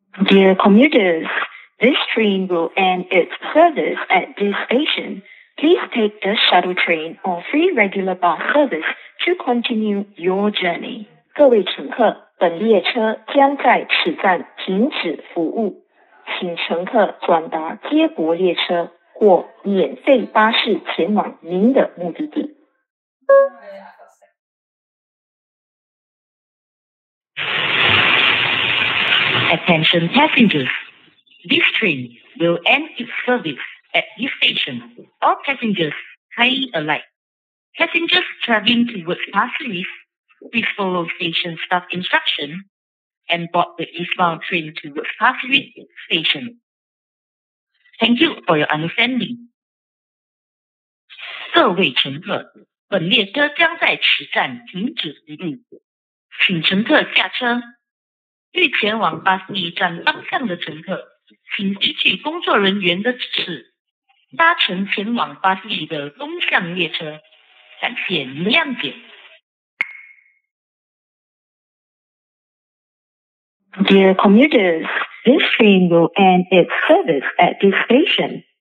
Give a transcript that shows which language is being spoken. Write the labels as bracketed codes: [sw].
[en] Dear commuters, this train will end its service at this station. Please take the shuttle train or free regular bus service to continue your journey. [zh] 各位乘客，本列车将在此站停止服务，请乘客转搭接驳列车或免费巴士前往您的目的地。 [en] Attention passengers, this train will end its service at this station. All passengers kindly alight. Passengers traveling towards Pasir Ris, please follow station staff instruction and board the eastbound train towards Pasir Ris station. Thank you for your understanding. [zh] 各位乘客, 本列车将在此站停止服务，请乘客下车。欲前往巴士驿站方向的乘客，请依据工作人员的指示搭乘前往巴士驿的东向列车。感谢您的谅解。 [en] Dear commuters, this train will end its service at this station.